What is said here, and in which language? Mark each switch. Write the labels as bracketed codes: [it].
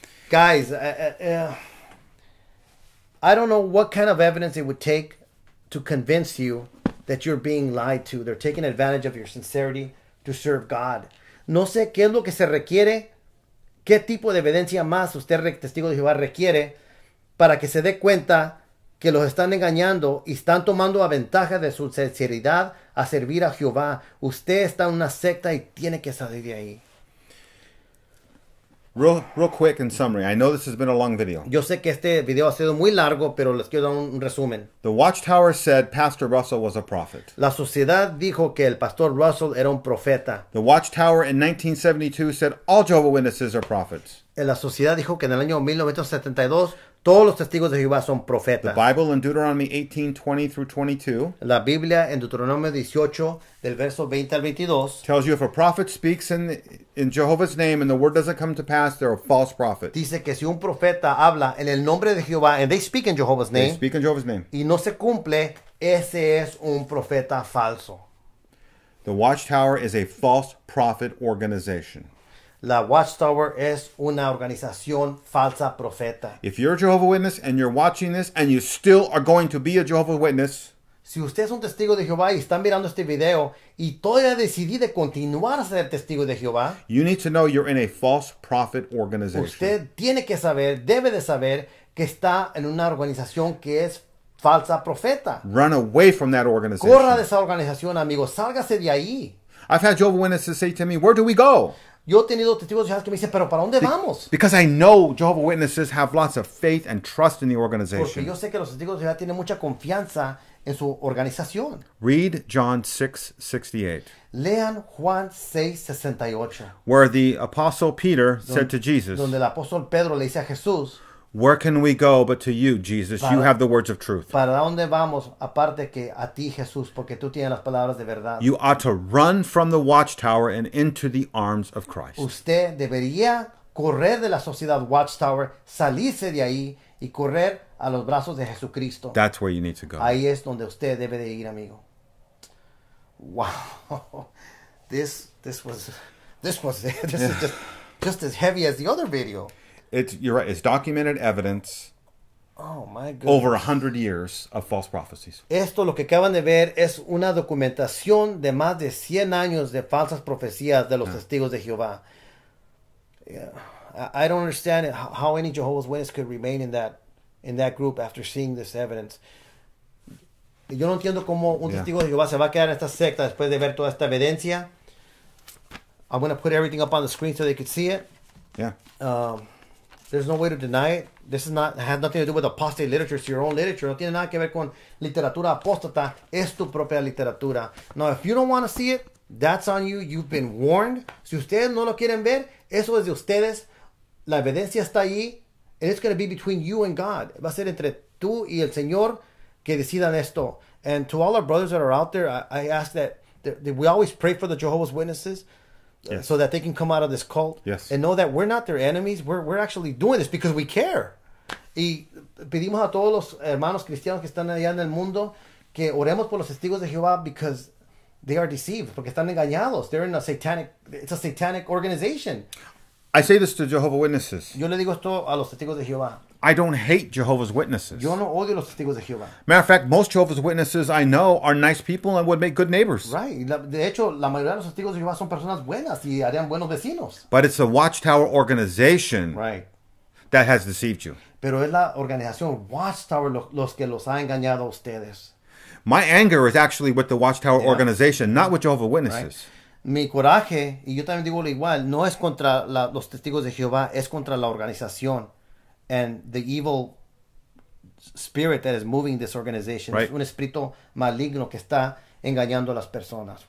[en] Guys, I don't know what kind of evidence it would take to convince you that you're being lied to. They're taking advantage of your sincerity to serve God. [es] No sé qué es lo que se requiere, qué tipo de evidencia más usted, testigo de Jehová, requiere para que se dé cuenta que los están engañando y están tomando a ventaja de su sinceridad a servir a Jehová. Usted está en una secta y tiene que salir de ahí. [en] Real quick in summary, I know this has been a long video. [es] Yo sé que este video ha sido muy largo, pero les quiero dar un resumen. [en] The Watchtower said Pastor Russell was a prophet. [es] La sociedad dijo que el Pastor Russell era un profeta. [en] The Watchtower in 1972 said all Jehovah's Witnesses are prophets. [es] La sociedad dijo que en el año 1972 todos los testigos de Jehová son profetas. [en] The Bible in Deuteronomy 18:20 through 22. [es] La Biblia en Deuteronomio 18 del verso 20 al 22. [en] Tells you if a prophet speaks in Jehovah's name and the word doesn't come to pass, they're a false prophet. [es] Dice que si un profeta habla en el nombre de Jehová [en] and they speak in Jehovah's name. They speak in Jehovah's name. [es] Y no se cumple, ese es un profeta falso. [en] The Watchtower is a false prophet organization. [es] La Watchtower es una organización falsa profeta. [en] If you're a Jehovah's Witness and you're watching this and you still are going to be a Jehovah's Witness. [es] Si usted es un testigo de Jehová y está mirando este video y todavía decidí de continuar a ser testigo de Jehová. [en] You need to know you're in a false prophet organization. [es] Usted tiene que saber, debe de saber que está en una organización que es falsa profeta. [en] Run away from that organization. [es] Corra de esa organización, amigo. Sálgase de ahí. [en] I've had Jehovah's Witnesses say to me, where do we go? [es] Yo he tenido testigos de Jehová que me dicen, pero ¿para dónde vamos? [en] Because I know Jehovah's Witnesses have lots of faith and trust in the organization. [es] Porque yo sé que los testigos de Jehová tienen mucha confianza en su organización. [en] Read John 6:68. [es] Lean Juan 6:68. [en] Where the apostle Peter said to Jesus. [es] Donde el apóstol Pedro le dice a Jesús. [en] Where can we go but to you, Jesus? You have the words of truth. [es] ¿Para dónde vamos aparte que a ti, Jesús? Porque tú tienes las palabras de verdad. [en] You ought to run from the Watchtower and into the arms of Christ. [es] Usted debería correr de la sociedad Watchtower, salirse de ahí y correr a los brazos de Jesucristo. [en] That's where you need to go. [es] Ahí es donde usted debe de ir, amigo. [en] Wow. This was this is just as heavy as the other video. You're right. It's documented evidence. Oh my goodness. Over 100 years of false prophecies. [es] Esto lo que acaban de ver es una documentación de más de 100 años de falsas profecías de los testigos de Jehová. [en] Yeah. I don't understand how any Jehovah's Witness could remain in that group after seeing this evidence. [es] Yo no entiendo cómo un testigo de Jehová se va a quedar en esta secta después de ver toda esta evidencia. [en] I'm going to put everything up on the screen so they could see it. Yeah. There's no way to deny it. This is not has nothing to do with apostate literature. It's your own literature. [es] No tiene nada que ver con literatura apóstata. Es tu propia literatura. [en] Now, if you don't want to see it, that's on you. You've been warned. [es] Si ustedes no lo quieren ver, eso es de ustedes. La evidencia está ahí. [en] And it's going to be between you and God. [es] Va a ser entre tú y el Señor que decidan esto. [en] And to all our brothers that are out there, I ask that we always pray for the Jehovah's Witnesses. Yes. So that they can come out of this cult. Yes. And know that we're not their enemies. We're actually doing this because we care. [es] Y pedimos a todos los hermanos cristianos que están allá en el mundo que oremos por los testigos de Jehová [en] because they are deceived. [es] Porque están engañados. [en] They're in a satanic, it's a satanic organization. I say this to Jehovah's Witnesses. [es] Yo le digo esto a los testigos de Jehová. [en] I don't hate Jehovah's Witnesses. [es] Yo no odio los testigos de Jehová. [en] Matter of fact, most Jehovah's Witnesses I know are nice people and would make good neighbors. Right. [es] De hecho, la mayoría de los testigos de Jehová son personas buenas y harían buenos vecinos. [en] But it's the Watchtower organization right. That has deceived you. [es] Pero es la organización Watchtower los que los ha engañado a ustedes. [en] My anger is actually with the Watchtower organization, not with Jehovah's Witnesses. Right. [es] Mi coraje, y yo también digo lo igual, no es contra los testigos de Jehová, es contra la organización. [en] And the evil spirit that is moving this organization. Right. [es] Un espíritu maligno que está engañando a las personas.